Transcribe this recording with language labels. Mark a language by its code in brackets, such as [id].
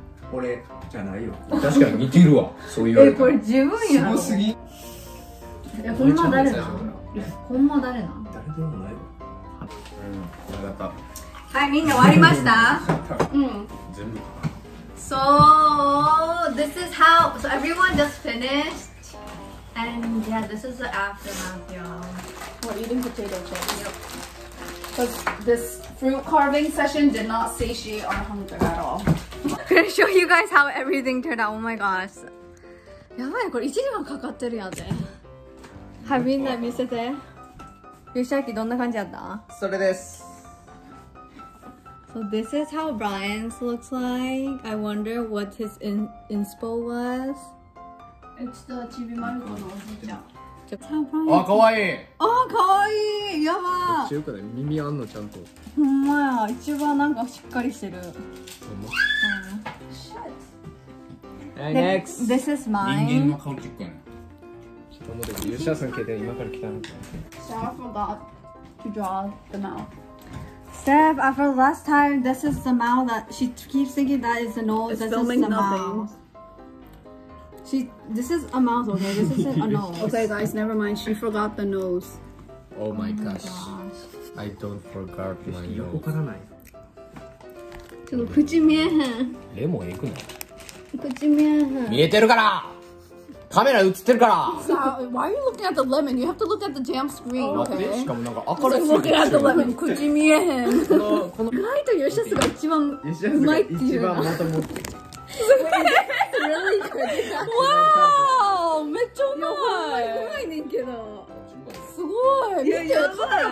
[ja] 俺じゃないよ。確かに似てるわ。そう言われた。え、これ自分やろ。すごすぎ。え、ほんま誰なん？ほんま誰なん？誰でもないわ。うん、分かった。はい、みんな終わりました。うん。全部。 [en] So this is how. So everyone just finished, and yeah, this is the aftermath, y'all. We're eating potato chips. Yep. Cause this. Fruit carving session did not satiate our hunger at all. I'm gonna show you guys how everything turned out. Oh my gosh. [ja] やばい、これ1時間かかってるやんね。はい、みんな見せて。ゆしあきどんな感じやった？それです。 [en] So this is how Brian's looks like. I wonder what his inspo was. [ja] ちょっとちびまる子のおじいちゃん。あ、かわいい。あ、かわいい。やば。強くない？耳あんのちゃんと。ほんまや。一番なんかしっかりしてる。ほんま。 [en] Next。 This is mine。 [ja] 人間の顔チックね。ちょっと待って。ユシャさん携帯今から来たの。 [en] Steph forgot to draw the mouth. Steph, after last time, this is the mouth that she keeps thinking that is the nose. It's filming nothing. This is a mouth, okay? This is a nose. Okay, guys, never mind. She forgot the nose. Oh my gosh. I don't forgot my nose. [ja] ちょっと口見えへん。レモンいくの？口見えへん。見えてるから！カメラ映ってるから！ [en] So, why are you looking at the lemon? You have to look at the damn screen, okay? [ja] しかもなんか明るすぎて。 [en] Looking at the lemon. [ja] 口見えへん。この ライトヨシャスが一番うまいっていう。一番元持ってる。わーめっちゃうまい。いや、ほんまにうまいねんけど。すごい。いや、やばい。カメラ